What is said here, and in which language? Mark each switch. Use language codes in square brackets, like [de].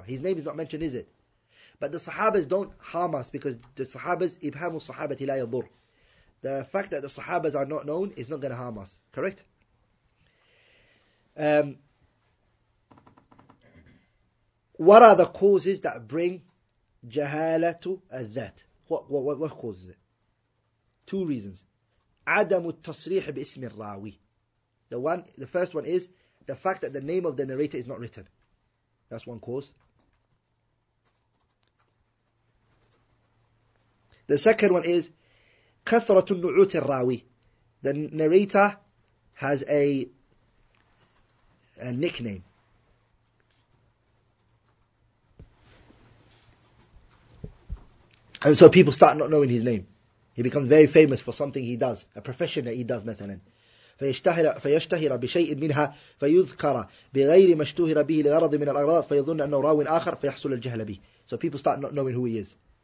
[en] His name is not mentioned, is it? But the sahabas don't harm us because the sahabas, [ar] إِبْهَامُ الصَّحَابَةِ لَا يَضُرْ. [en] The fact that the sahabas are not known is not going to harm us. Correct? What are the causes that bring jahala to that? What causes it? Two reasons. [ar] عدم التصريح باسم الراوي. [en] The first one is the fact that the name of the narrator is not written. That's one cause. The second one is [ar] كثرة النعوت الراوي. [en] The narrator has a nickname. And so people start not knowing his name. He becomes very famous for something he does, a profession that he does, methylene. [ar] فيشتهر بشيء منها فيذكر بغير ما اشتهر به لغرض من الأغراض فيظن أنه راو آخر فيحصل الجهل به. [en] So people start not knowing who he is.